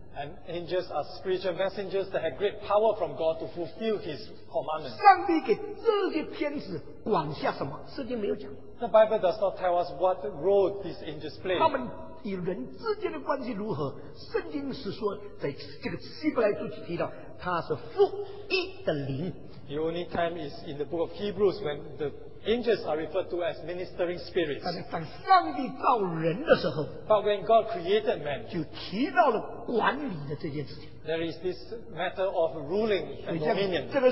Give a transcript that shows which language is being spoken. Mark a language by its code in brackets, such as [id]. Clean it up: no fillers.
[en] And angels are spiritual messengers that have great power from God to fulfill His commandments. [zh] 上帝给这些天使管下什么？圣经没有讲。 [en] The Bible does not tell us what role these angels play. [zh] 他们与人之间的关系如何？圣经是说，在这个希伯来书提到，他是复一的灵。 [en] The only time is in the book of Hebrews when the angels are referred to as ministering spirits. [zh] 但是当上帝造人的时候, [en] but when God created man, [zh] 就提到了管理的这件事情。 [en] There is this matter of ruling and dominion.